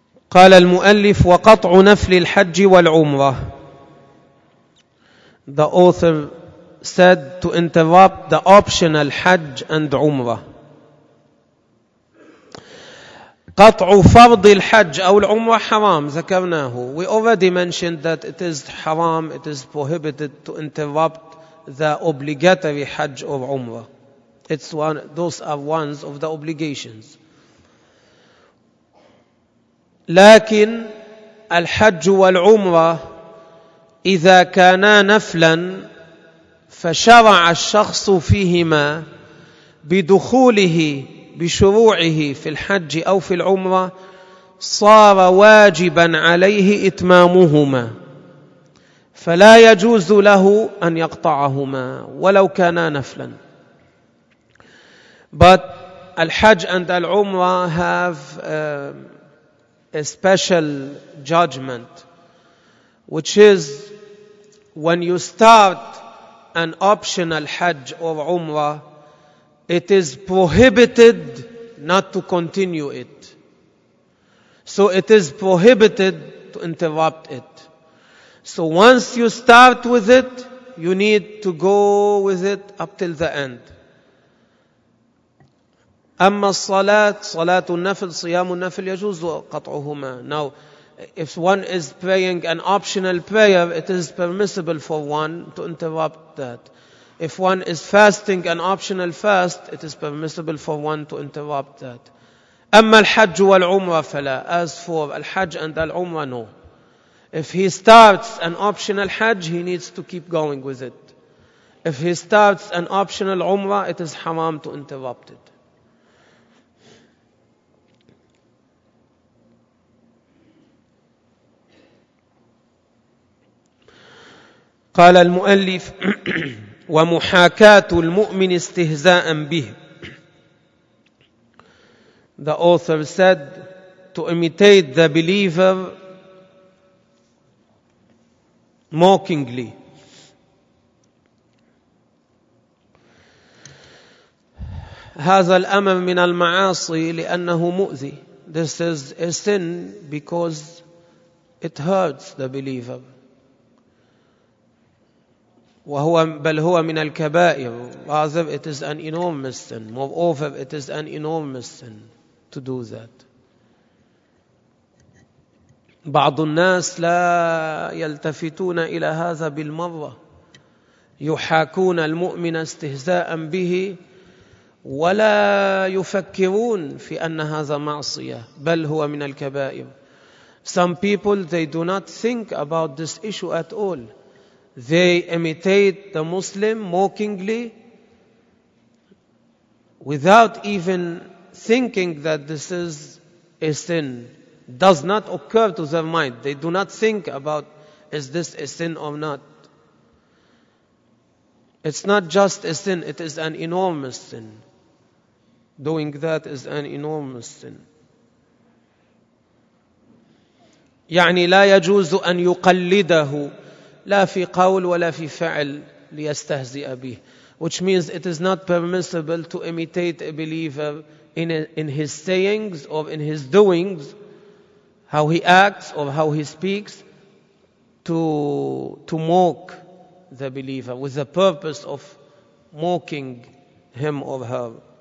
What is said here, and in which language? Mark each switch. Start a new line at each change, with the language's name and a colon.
Arabic: قال المؤلف وقطع نفل الحج والعمرة.
English: The author said to interrupt the optional حج and عمرة.
Arabic: قطع فرض الحج أو العمرة حرام ذكرناه.
English: We already mentioned that it is haram, it is prohibited to interrupt the obligatory حج or عمرة. It's one, those are ones of the obligations.
Arabic: لكن الحج والعمرة إذا كانا نفلا فشرع الشخص فيهما بدخوله بشروعه في الحج أو في العمرة صار واجبا عليه إتمامهما، فلا يجوز له أن يقطعهما ولو كانا نفلا.
English: But الحج and العمرة have a special judgment, which is when you start an optional Hajj or Umrah, it is prohibited not to continue it. So it is prohibited to interrupt it. So once you start with it, you need to go with it up till the end.
Arabic: أما الصلاة صلاة النفل صيام النفل يجوز قطعهما.
English: Now, if one is praying an optional prayer, it is permissible for one to interrupt that. If one is fasting an optional fast, it is permissible for one to interrupt that.
Arabic: أما الحج والعمرة فلا.
English: As for الحج and العمرة, no. If he starts an optional Hajj, he needs to keep going with it. If he starts an optional Umrah, it is haram to interrupt it.
Arabic: قال المؤلف ومحاكاة المؤمن استهزاء به.
English: The author said to imitate the believer mockingly.
Arabic: هذا الأمر من المعاصي لأنه مؤذي.
English: This is a sin because it hurts the believer.
Arabic: وهو بل هو من الكبائر.
English: Rather, it is an enormous sin. Moreover, it is an enormous sin to do that.
Arabic: بعض الناس لا يلتفتون إلى هذا بالمرة، يحاكون المؤمن استهزاء به ولا يفكرون في أن هذا معصية بل هو من الكبائر.
English: Some people, they do not think about this issue at all. They imitate the Muslim mockingly without even thinking that this is a sin. Does not occur to their mind. They do not think about, is this a sin or not? It's not just a sin, it is an enormous sin. Doing that is an enormous sin.
Arabic: يعني لا يجوز أن يقلده لا في قول ولا في فعل ليستهزئ به.
English: Which means it is not permissible to imitate a believer in his sayings or in his doings, how he acts or how he speaks, to mock the believer with the purpose of mocking him or her.